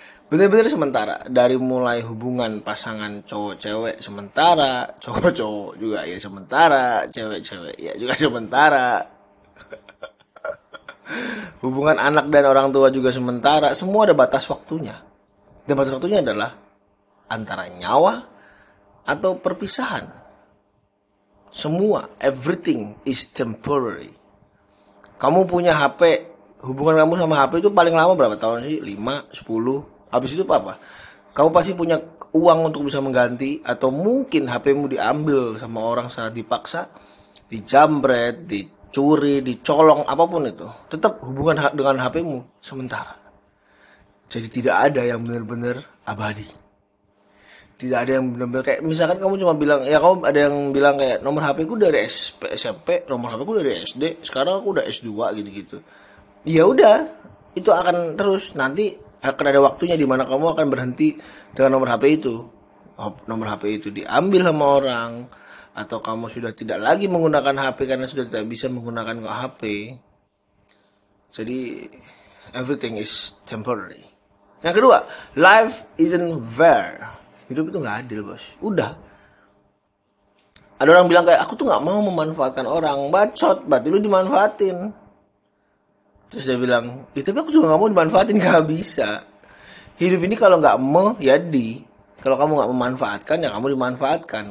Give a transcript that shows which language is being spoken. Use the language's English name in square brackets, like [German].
[Indonesian] Benar-benar sementara, dari mulai hubungan pasangan cowok-cewek sementara, cowok-cowok juga ya sementara, cewek-cewek ya juga sementara. Hubungan anak dan orang tua juga sementara, semua ada batas waktunya. Dan batas waktunya adalah antara nyawa atau perpisahan. Semua, [English] everything is temporary. [Indonesian] Kamu punya HP, hubungan kamu sama HP itu paling lama berapa tahun sih? 5, 10, habis itu apa? Kamu pasti punya uang untuk bisa mengganti, atau mungkin HP-mu diambil sama orang secara dipaksa, dijambret, dicuri, dicolong, apapun itu. Tetap hubungan dengan HP-mu sementara. Jadi tidak ada yang benar-benar abadi. Tidak ada yang benar-benar kayak, misalkan kamu cuma bilang, ya kamu ada yang bilang kayak, nomor HP-ku dari SMP, nomor HP-ku dari SD, sekarang aku udah S2, gitu-gitu. Ya udah, itu akan terus nanti. Akan ada waktunya di mana kamu akan berhenti dengan nomor HP itu. Nomor HP itu diambil sama orang, atau kamu sudah tidak lagi menggunakan HP karena sudah tidak bisa menggunakan HP. Jadi [English] everything is temporary. [Indonesian] Yang kedua, [English] life isn't fair. [Indonesian] Hidup itu gak adil bos. Udah, ada orang bilang kayak, aku tuh gak mau memanfaatkan orang. Bacot, berarti lu dimanfaatin. Terus dia bilang, ya tapi aku juga gak mau dimanfaatin, gak bisa. Hidup ini kalau gak menjadi, kalau kamu gak memanfaatkan, ya kamu dimanfaatkan.